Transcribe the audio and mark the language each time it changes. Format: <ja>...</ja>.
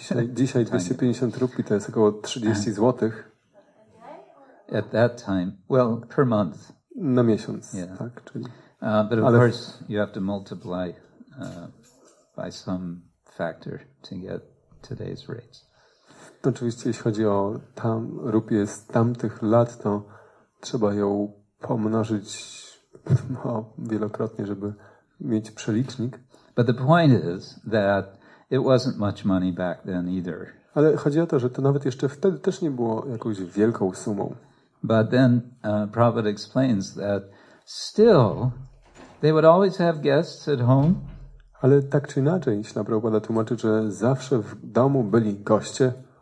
<pl>dzisiaj 250 rupii to jest około 30 złotych.</pl> <en>At that time, well, per month.</en> <pl>Na miesiąc, yeah. Tak. Czyli...</pl> <en>But of</en> <pl>Ale...</pl> <en>course, you have to multiply by some factor to get today's rates.</en> <pl>To oczywiście, jeśli chodzi o tam rupie z tamtych lat, to trzeba ją pomnożyć wielokrotnie, żeby mieć przelicznik.</pl> <en>But the point is that it wasn't much money back then either.</en> <pl>Ale chodzi o to, że to nawet jeszcze wtedy też nie było jakąś wielką sumą.</pl> <en>But then Prabhupada explains that still they would always have guests at home.</en> <pl>Ale tak czy inaczej, Śla Prabhupada tłumaczy, że zawsze w domu byli goście.</pl>